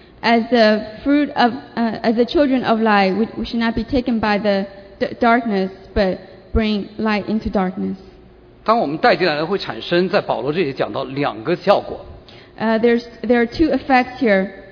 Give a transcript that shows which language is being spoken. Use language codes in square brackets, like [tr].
[en] As the fruit of, as the children of light, we should not be taken by the darkness, but bring light into darkness. [zh] 当我们带进来的会产生在保罗这里讲到两个效果。 [en] There are two effects here.